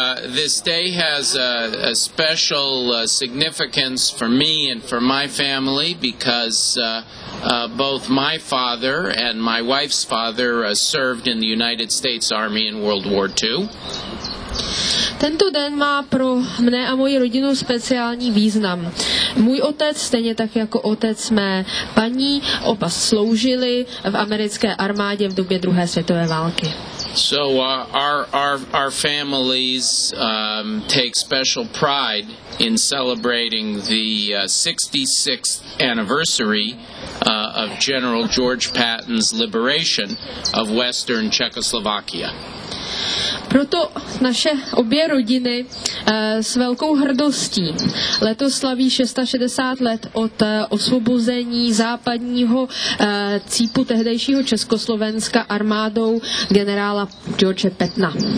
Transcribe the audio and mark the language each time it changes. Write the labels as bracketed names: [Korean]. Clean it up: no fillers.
[English] This day has a special significance for me and for my family because both my father and my wife's father served in the United States Army in World War II. [Czech] Tento den má pro mne a moji rodinu speciální význam. Můj otec, stejně tak jako otec mé paní, oba sloužili v americké armádě v době druhé světové války. [English] So our families take special pride in celebrating the 66th anniversary of General George Patton's liberation of Western Czechoslovakia. [Czech] Proto naše obě rodiny s velkou hrdostí letos slaví 660 let od osvobození západního cípu tehdejšího Československa armádou generála George Pattona.